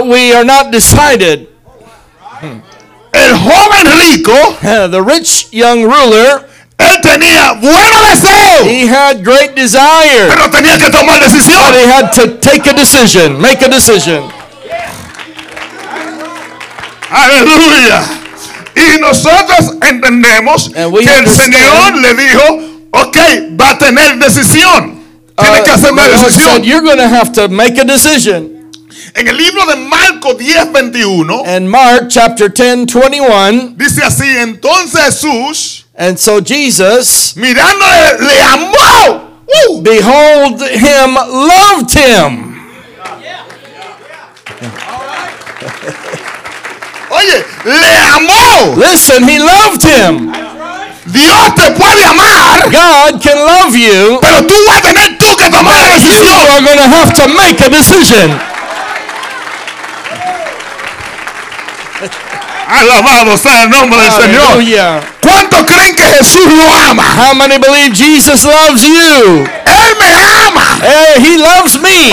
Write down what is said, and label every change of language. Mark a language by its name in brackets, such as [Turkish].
[English] But we are not decided. [Spanish] El joven rico, [English] the rich young ruler, [Spanish] él tenía buenos deseos. [English] He had great desire. [Spanish] Pero tenía que tomar decisión. [English] But he had to take a decision, make a decision. [Spanish] Aleluya. Y nosotros entendemos que el Señor le dijo, okay, va a tener decisión. Tiene que hacer una decisión. [English] Said, you're going to have to make a decision. [Spanish] En el libro de Marcos 10:21, [English] and Mark chapter 10:21, [Spanish] dice así, entonces Jesús, [English] and so Jesus, [Spanish] mirándole, le amó. [English] Woo! Behold him, loved him. [Spanish] Oye, le amó. [English] Listen, he loved him. [Spanish] Dios te puede amar. [English] God can love you. [Spanish] Pero tú vas a tener tú que tomar la decisión. [English] You are going to have to make a decision. [Spanish] Alabado sea el nombre del Señor. ¿Cuántos creen que Jesús lo ama? [English] How many believe Jesus loves you? [Spanish] Él me ama. [English] He loves me.